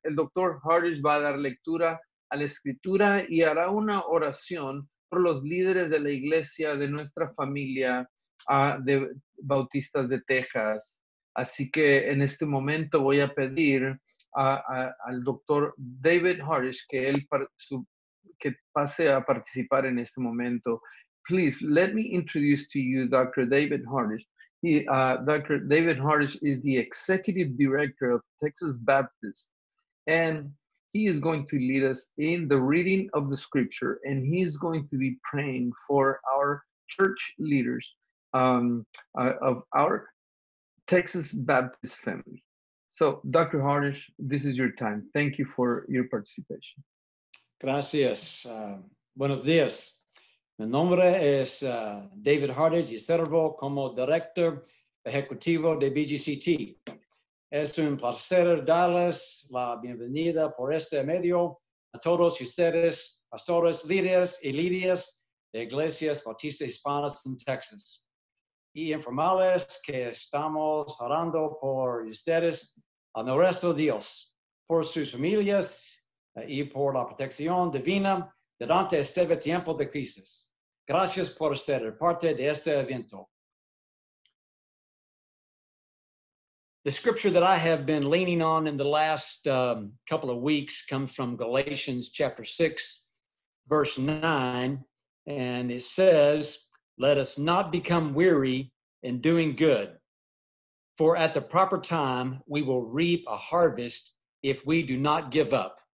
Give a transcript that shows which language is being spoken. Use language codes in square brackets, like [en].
[es] El doctor Hartage va a dar lectura a la escritura y hará una oración por los líderes de la iglesia de nuestra familia de Bautistas de Texas. Así que en este momento voy a pedir al doctor David Hartage que pase a participar en este momento. [en] Please let me introduce to you Dr. David Hartage. Dr. David Hartage is the executive director of Texas Baptist, and he is going to lead us in the reading of the scripture, and he is going to be praying for our church leaders of our Texas Baptist family. So, Dr. Hartage, this is your time. Thank you for your participation. [es] Gracias. Buenos días. Mi nombre es David Hartage y servo como director ejecutivo de BGCT. Es un placer darles la bienvenida por este medio a todos ustedes, pastores, líderes y líderes de iglesias bautistas hispanas en Texas. Y informarles que estamos orando por ustedes a nuestro Dios, por sus familias y por la protección divina durante este tiempo de crisis. Gracias por ser parte de este evento. [en] The scripture that I have been leaning on in the last couple of weeks comes from Galatians chapter 6, verse 9, and it says, "Let us not become weary in doing good, for at the proper time we will reap a harvest if we do not give up."